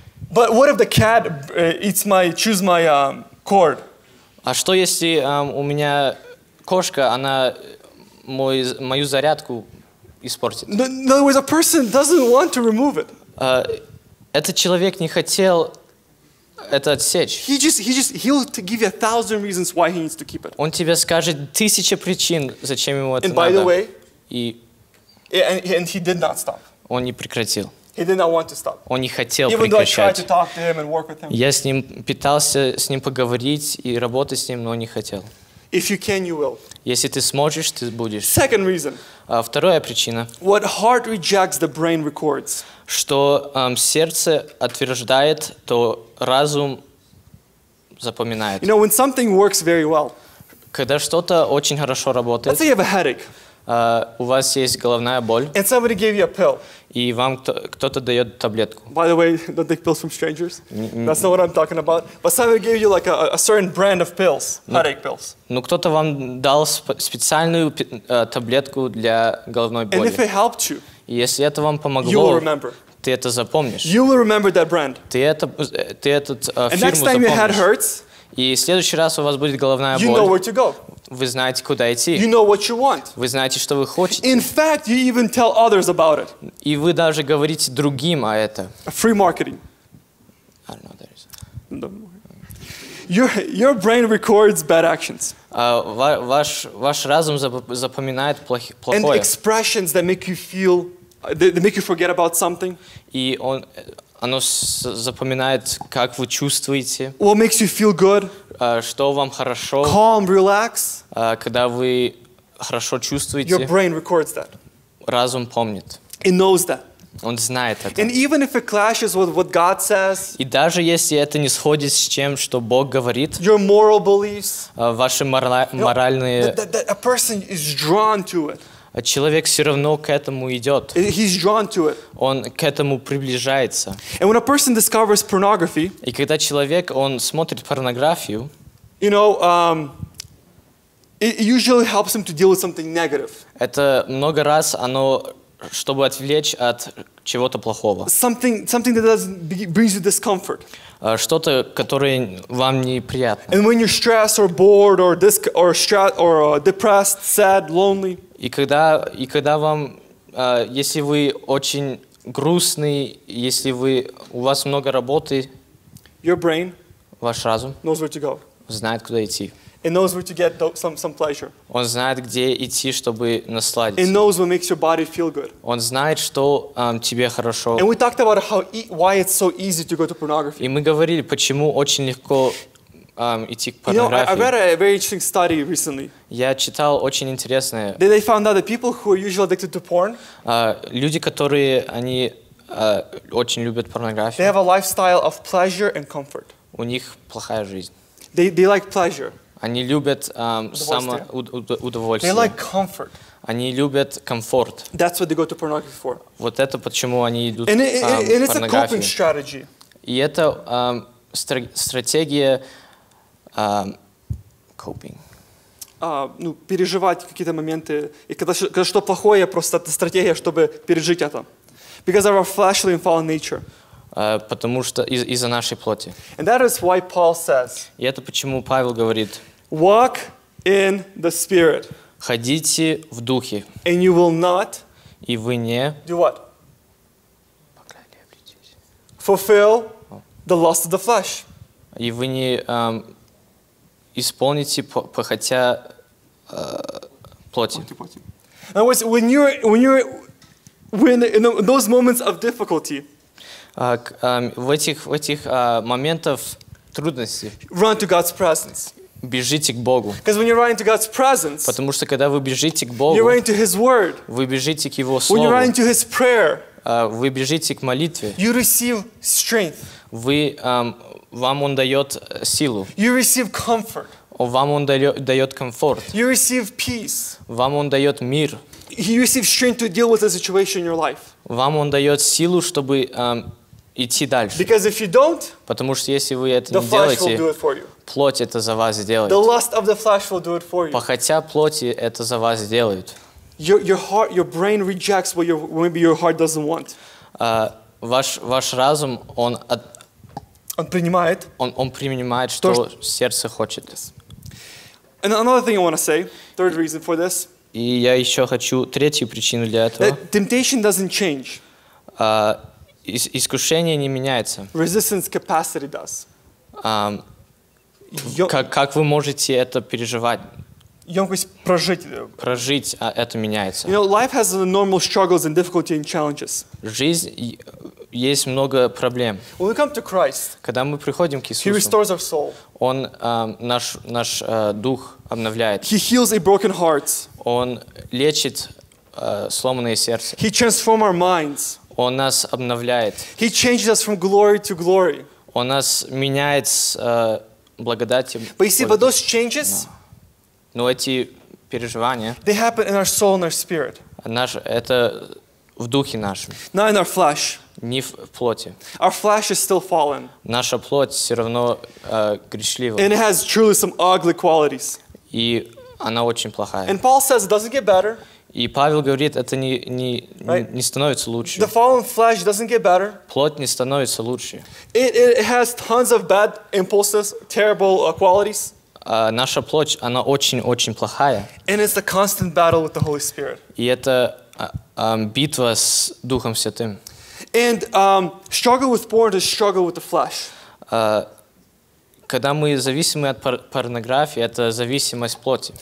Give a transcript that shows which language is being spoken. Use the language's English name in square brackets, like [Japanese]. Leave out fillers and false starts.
[English] But what if the cat chews my cord? [Russian] А что если у меня кошка, она мою зарядку испортит? [English] In other words, a person doesn't want to remove it. [Russian] Этот человек не хотел это отсечь. [English] He'll give you 1,000 reasons why he needs to keep it. [Russian] Он тебе скажет 1,000 причин, зачем ему это [English] and [Russian] надо. [English] And by the way, and he did not stop. [Russian] Он не прекратил. [English] He did not want to stop. [Russian] Он не хотел [English] Even [Russian] прекращать. [English] I tried to talk to him and work with him. [Russian] Я с ним пытался с ним поговорить и работать с ним, но он не хотел. [English] If you can, you will. [Russian] Если ты сможешь, ты будешь. [English] Second reason. [Russian] Вторая причина. [English] What heart rejects, the brain records. [Russian] Что сердце отвергает, то разум запоминает. [English] You know, when something works very well. [Russian] Когда что-то очень хорошо работает. [English] Let's say you have a headache. [Russian] У вас есть головная боль. [English] And somebody gave you a pill. [Russian] И вам кто-то дает таблетку. [English] By the way, don't take pills from strangers. Mm-hmm. That's not what I'm talking about. But somebody gave you like a certain brand of pills, headache pills. [Russian] Ну кто-то вам дал специальную таблетку для головной боли. [English] And if it helped you, [Russian] если это вам помогло, [English] you will remember. [Russian] Ты это запомнишь. [English] You will remember that brand. [Russian] Ты эту фирму запомнишь. [English] And next time your head hurts, [Russian] и в следующий раз у вас будет головная боль. [English] You know where to go. [Russian] Вы знаете, куда идти. [English] You know what you want. [Russian] Вы знаете, что вы хотите. [English] In fact, you even tell others about it. [Russian] И вы даже говорите другим о этом. [English] Free marketing. I don't know, there is. Your brain records bad actions. [Russian] Ваш разум запоминает плохое. [English] And expressions that make you feel, they make you forget about something. [Russian] И он оно запоминает, как вы чувствуете. [English] What makes you feel good? [Russian] Что вам хорошо? [English] Calm, relax. [Russian] Когда вы хорошо чувствуете. [English] Your brain records that. [Russian] Разум помнит. [English] It knows that. [Russian] Он знает это. [English] And even if it clashes with what God says. [Russian] И даже если это не сходит с тем, что Бог говорит. [English] Your moral beliefs. [Russian] Ваши моральные. [English] That a person is drawn to it. [Russian] А человек все равно к этому идет. [English] He's drawn to it. [Russian] Он к этому приближается. [English] And when a person discovers pornography, [Russian] и когда человек он смотрит порнографию, [English] you know, it usually helps him to deal with something negative. [Russian] Это много раз оно, чтобы отвлечь от чего-то плохого. [English] Something that brings you discomfort. [Russian] Что-то, которое вам неприятно. [English] And when you're stressed or bored or depressed, sad, lonely. [Russian] И когда вам, если вы очень грустный, если вы у вас много работы, [English] your brain, [Russian] ваш разум, [English] knows where to go, [Russian] знает куда идти, [English] it knows where to get some pleasure, [Russian] он знает где идти, чтобы насладиться, [English] it knows what makes your body feel good, [Russian] он знает что тебе хорошо, [English] and we talked about why it's so easy to go to pornography, [Russian] и мы говорили почему очень легко идти к порнографии. [English] You know, I read a very interesting study recently. [Russian] Я читал очень интересное. [English] They found out that people who are usually addicted to porn, [Russian] люди, которые они очень любят порнографию. [English] They have a lifestyle of pleasure and comfort. [Russian] У них плохая жизнь. [English] They like pleasure. [Russian] Они любят удовольствие. [English] They like comfort. [Russian] Они любят комфорт. [English] That's what they go to pornography for. [Russian] Вот это почему они идут [English] and it's a coping strategy. [Russian] И это стратегия. [English] Coping. [Russian] Ну, переживать какие-то моменты. И когда что плохое, просто это стратегия, чтобы пережить это. [English] Because of our fleshly and fallen nature. [Russian] Потому что из-за нашей плоти. [English] And that is why Paul says. [Russian] И это почему Павел говорит. [English] Walk in the Spirit. [Russian] Ходите в духе. [English] And you will not. [Russian] И вы не. [English] Do what? Fulfill the lust of the flesh. [Russian] И вы не исполните похотя плоти. [English] In other words, when those moments of difficulty, [Russian] в этих моментах трудности, [English] run to God's presence. [Russian] Бежите к Богу. [English] Because when you're running to God's presence, [Russian] потому что когда вы бежите к Богу, [English] you're running to His word. [Russian] Вы бежите к Его слову. [English] When you're running to His prayer, [Russian] вы бежите к молитве. [English] You receive strength. [Russian] Вы вам он дает силу. [English] You receive comfort. [Russian] Вам он дает комфорт. [English] You receive peace. [Russian] Вам он дает мир. [English] You receive strength to deal with the situation in your life. [Russian] Вам он дает силу, чтобы идти дальше. [English] Because if you don't, [Russian] потому что если вы это [English] the [Russian] не делаете, [English] flesh will do it for you. [Russian] Плоть это за вас сделает. [English] The lust of the flesh will do it for you. [Russian] Похотя плоти это за вас сделают. [English] Your heart, your brain rejects what your maybe your heart doesn't want. [Russian] Ваш разум он принимает, что сердце хочет. [English] And another thing I want to say, third reason for this. [Russian] И я еще хочу третью причину для этого. [English] That temptation doesn't change. [Russian] Искушение не меняется. [English] Resistance capacity does. [Russian] Как вы можете это переживать? Емкость прожить. Прожить, а это меняется. [English] You know, life has the normal struggles and difficulty and challenges. [Russian] Есть много проблем. [English] When we come to Christ, [Russian] когда мы приходим к Иисусу, [English] He restores our soul. [Russian] Он наш дух обновляет. [English] He heals a broken heart. [Russian] Он лечит сломанное сердце. [English] He transforms our minds. [Russian] Он нас обновляет. [English] He changes us from glory to glory. [Russian] Он нас меняет с благодати. [English] But you see, but those changes, [Russian] но эти переживания. [English] They happen in our soul and our spirit. [Russian] Это в духе нашем. [English] Not in our flesh. [Russian] Не в плоти. [English] Our flesh is still fallen. [Russian] Наша плоть все равно грешлива. [English] And it has truly some ugly qualities. [Russian] И она очень плохая. [English] And Paul says it doesn't get better. [Russian] И Павел говорит, это не становится лучше. [English] The fallen flesh doesn't get better. [Russian] Плоть не становится лучше. [English] It has tons of bad impulses, terrible qualities. [Russian] Наша плоть, она очень-очень плохая. [English] And it's the constant battle with the Holy Spirit. [Russian] И это битва с Духом Святым. [English] And struggle with porn is struggle with the flesh. [Russian] Когда мы зависимы от порнографии, это зависимость плоти.